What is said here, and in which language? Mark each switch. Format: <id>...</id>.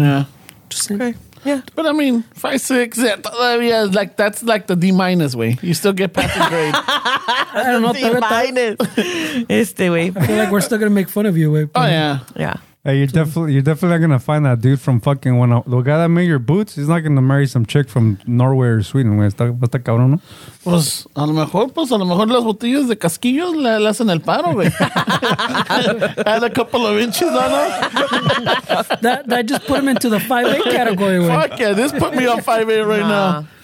<en>But I mean, 5'6", todavía, like, that's like the D-minus way. You still get passing grade. I don't know. D-minus. Este way. I feel like we're still going to make fun of you, way. Oh, yeah. Yeah. Hey, you're definitely not gonna find that dude from fucking one. The guy that made your boots, he's not gonna marry some chick from Norway or Sweden.</en> <es>¿Está cabrón, no? Pues a lo mejor las botellas de casquillos le hacen el paro, güey.</es> <en>Add a couple of inches on us. That just put him into the 5'8 category. Fuck yeah, this put me on 5'8 right now.</en>